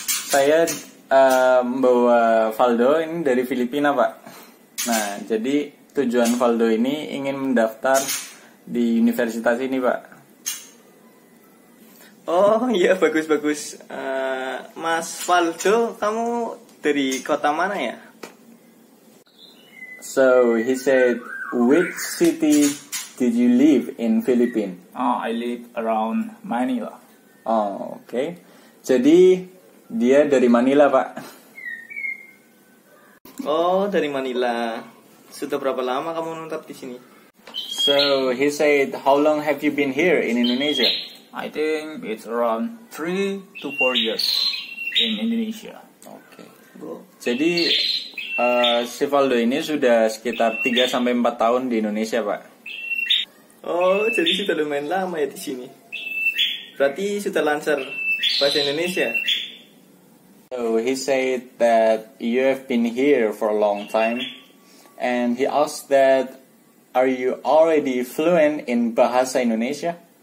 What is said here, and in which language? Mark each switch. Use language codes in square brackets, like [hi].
[id] Saya membawa Valdo ini dari Filipina, Pak. Nah, jadi tujuan Valdo ini ingin mendaftar di universitas ini, Pak. Oh, iya bagus-bagus. Mas Valdo, kamu dari kota mana ya? [en] So he said, which city did you live in Philippines? Oh, I live around Manila. Oh, okay. [id] Jadi dia dari Manila, Pak. Oh, dari Manila. Sudah berapa lama kamu menetap di sini? [en] So he said, how long have you been here in Indonesia? I think it's around 3 to 4 years in Indonesia. Okay. Bro. [id] Jadi si Valdo ini sudah sekitar 3-4 tahun di Indonesia, Pak. Oh, jadi sudah lumayan lama ya di sini. Berarti sudah lancar bahasa Indonesia. [en] So, he said that you have been here for a long time. And he asked that, are you already fluent in bahasa Indonesia?